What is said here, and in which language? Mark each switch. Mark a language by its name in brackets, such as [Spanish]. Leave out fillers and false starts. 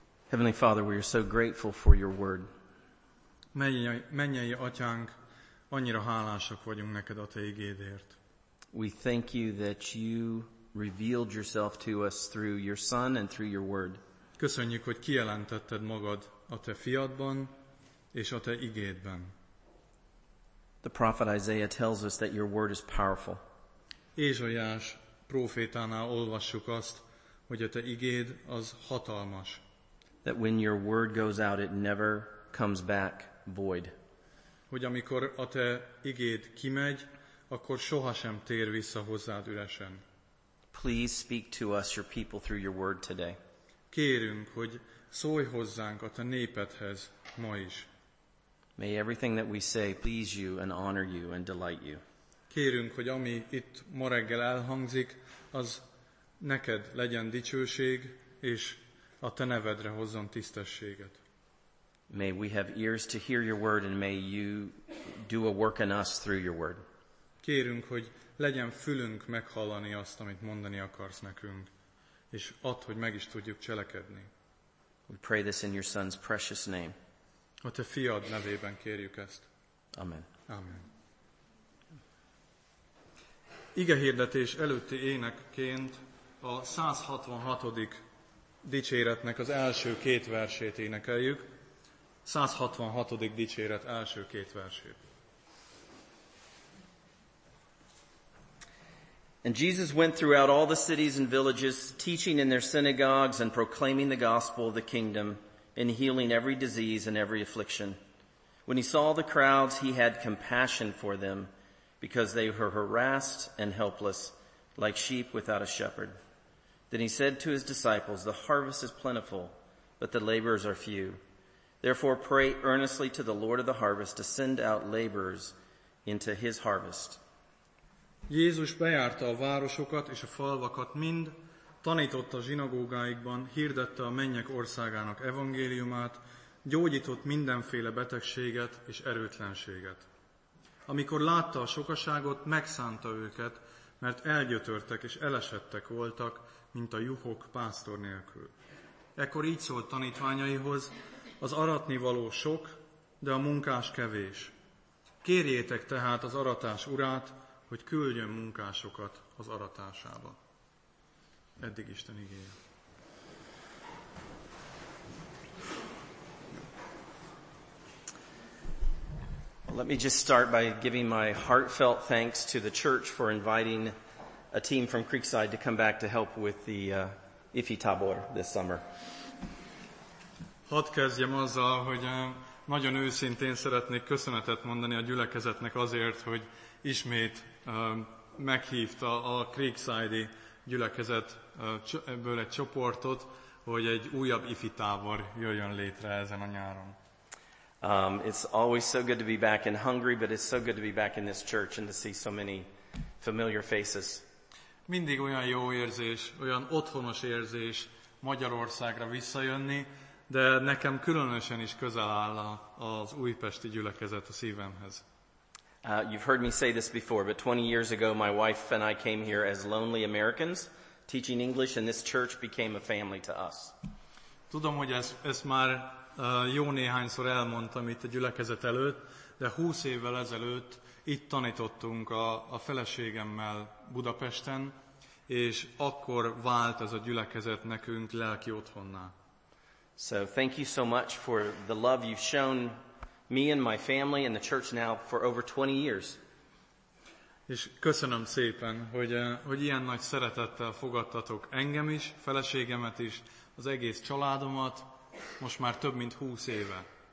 [English] Heavenly Father, we are so grateful for your word. [Hungarian] Mennyei atyánk, annyira hálásak vagyunk neked a te igédért. [English] We thank you that you revealed yourself to us through your son and through your word. [Hungarian] Köszönjük, hogy kijelentetted magad a te fiadban és a te igédben. [English] The prophet Isaiah tells us that your word is powerful. [Hungarian] Ézsaiás prófétánál olvassuk azt, hogy a te igéd az hatalmas. [English] That when your word goes out, it never comes back void. [Hungarian] Hogy amikor a te igéd kimegy, akkor sohasem tér vissza hozzád üresen. [English] Please speak to us, your people, through your word today. [Hungarian] Kérünk, hogy szólj hozzánk a te népedhez ma is. [English] May everything that we say please you and honor you and delight you. [Hungarian] Kérünk, hogy ami itt ma reggel elhangzik, az neked legyen dicsőség, és a te nevedre hozzon tisztességet. [English] May we have ears to hear your word, and may you do a work in us through your word. [Hungarian] Kérünk, hogy legyen fülünk meghallani azt, amit mondani akarsz nekünk, és add, hogy meg is tudjuk cselekedni. [English] We pray this in your son's precious name. [Hungarian] A te fiad nevében kérjük ezt. [English] Amen. [Hungarian] Amen. Igehirdetés előtti énekként a 166. dicséretnek az első két versét énekeljük. 166. dicséret első két versét. [English] And Jesus went throughout all the cities and villages, teaching in their synagogues and proclaiming the gospel of the kingdom and healing every disease and every affliction. When he saw the crowds, he had compassion for them because they were harassed and helpless, like sheep without a shepherd. Then he said to his disciples, "The harvest is plentiful, but the laborers are few. Therefore pray earnestly to the Lord of the harvest to send out laborers into his harvest." [Hungarian] Jézus bejárta a városokat és a falvakat mind, tanította a zsinagógáikban, hirdette a mennyek országának evangéliumát, gyógyított mindenféle betegséget és erőtlenséget. Amikor látta a sokaságot, megszánta őket, mert elgyötörtek és elesettek voltak, mint a juhok pásztor nélkül. Ekkor így szólt tanítványaihoz, az aratni való sok, de a munkás kevés. Kérjétek tehát az aratás urát, hogy küldjön munkásokat az aratásába. Eddig Isten igéje. [English] Let me just start by giving my heartfelt thanks to the church for inviting a team from Creekside to come back to help with the IFI Tabor this summer. [Hungarian] Hadd kezdjem azzal, hogy nagyon őszintén szeretnék köszönetet mondani a gyülekezetnek azért, hogy ismét meghívta a Creekside-i gyülekezet ebből egy csoportot, hogy egy újabb IFI tábor jöjjön létre ezen a nyáron. [English] It's always so good to be back in Hungary, but it's so good to be back in this church and to see so many familiar faces. [Hungarian] Mindig olyan jó érzés, olyan otthonos érzés Magyarországra visszajönni, de nekem különösen is közel áll az újpesti gyülekezet a szívemhez. [English] You've heard me say this before, but 20 years ago my wife and I came here as lonely Americans teaching English, and this church became a family to us. [Hungarian] Tudom, hogy ez már jó néhányszor elmondtam itt a gyülekezet előtt, de 20 évvel ezelőtt itt tanítottunk a feleségemmel Budapesten, és akkor vált ez a gyülekezet nekünk lelki otthonná. [English] So thank you so much for the love you've shown me and my family and the church now for over 20 years. [Hungarian] És köszönöm szépen, hogy ilyen nagy szeretettel fogadtatok engem is, feleségemet is, az egész családomat, most már több mint 20 éve.